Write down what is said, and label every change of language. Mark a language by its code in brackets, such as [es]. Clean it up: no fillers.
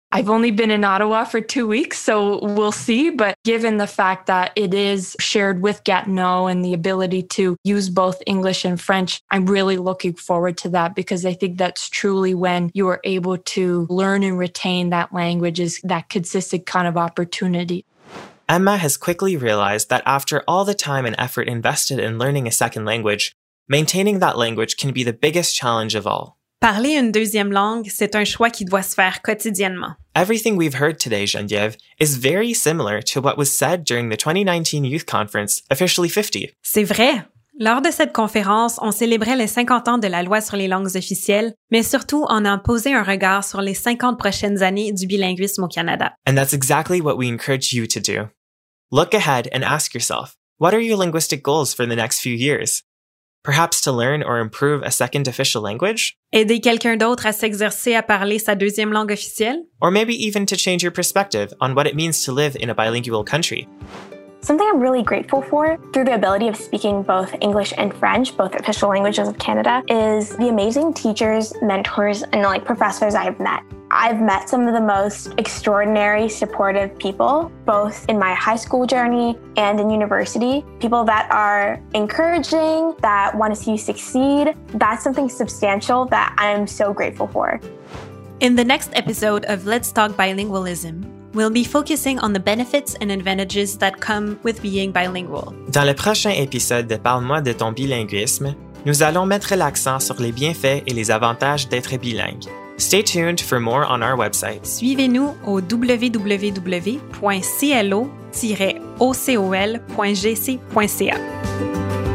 [en] I've only been in Ottawa for 2 weeks, so we'll see. But given the fact that it is shared with Gatineau and the ability to use both English and French, I'm really looking forward to that because I think that's truly when you are able to learn and retain that language, is that consistent kind of opportunity. Emma has quickly realized that after all the time and effort invested in learning a second language, maintaining that language can be the biggest challenge of all. [fr] Parler une deuxième langue, c'est un choix qui doit se faire quotidiennement. [en] Everything we've heard today, Geneviève, is very similar to what was said during the 2019 Youth Conference, Officially 50. [fr] C'est vrai. Lors de cette conférence, on célébrait les 50 ans de la loi sur les langues officielles, mais surtout, on a posé un regard sur les 50 prochaines années du bilinguisme au Canada. [en] And that's exactly what we encourage you to do. Look ahead and ask yourself, what are your linguistic goals for the next few years? Perhaps to learn or improve a second official language? [fr] Aider quelqu'un d'autre à s'exercer à parler sa deuxième langue officielle? [en] Or maybe even to change your perspective on what it means to live in a bilingual country. Something I'm really grateful for through the ability of speaking both English and French, both official languages of Canada, is the amazing teachers, mentors, and like professors I've met. I've met some of the most extraordinary, supportive people, both in my high school journey and in university. People that are encouraging, that want to see you succeed. That's something substantial that I'm so grateful for. In the next episode of Let's Talk Bilingualism, we'll be focusing on the benefits and advantages that come with being bilingual. [fr] Dans le prochain épisode de Parle-moi de ton bilinguisme, nous allons mettre l'accent sur les bienfaits et les avantages d'être bilingue. [en] Stay tuned for more on our website. [fr] Suivez-nous au www.clo-ocol.gc.ca.